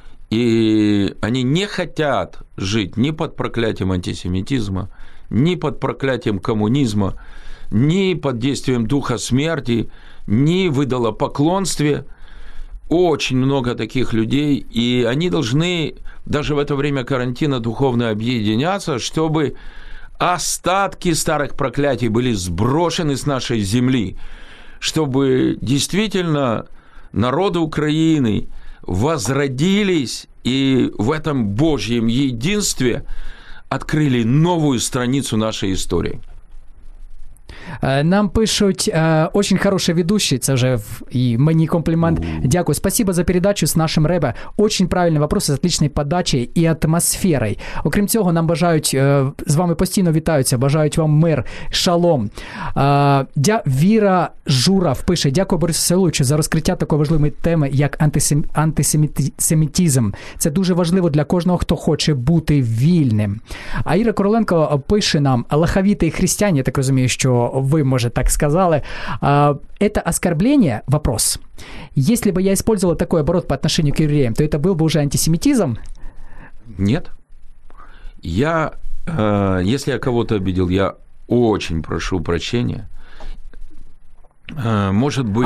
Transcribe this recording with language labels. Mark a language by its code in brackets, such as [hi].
[uk] І вони не хочуть жити ні під прокляттям антисемітизму, ні під прокляттям комунізму, [ru] ни под действием духа смерти, ни в идолопоклонстве. Очень много таких людей, и они должны даже в это время карантина духовно объединяться, чтобы остатки старых проклятий были сброшены с нашей земли, чтобы действительно народы Украины возродились и в этом Божьем единстве открыли новую страницу нашей истории. [uk] Нам пишуть, [ru] очень хороший ведущий, [uk] це вже і мені комплімент. Дякую. [ru] Спасибо за передачу з нашим Ребе. Очень правильний вопрос з отличною подачею і атмосферою. [uk] Окрім цього, нам бажають, з вами постійно вітаються, бажають вам мир, шалом. Віра Журав пише, дякую Борису Селовичу за розкриття такої важливої теми, як антисемітизм. Це дуже важливо для кожного, хто хоче бути вільним. А Іра Короленко пише нам, лахавіти і християні, я так розумію, що [ru] вы, может, так сказали. Это оскорбление? Вопрос. Если бы я использовал такой оборот по отношению к евреям, то это был бы уже антисемитизм? Нет. Я, если я кого-то обидел, я очень прошу прощения. Может быть...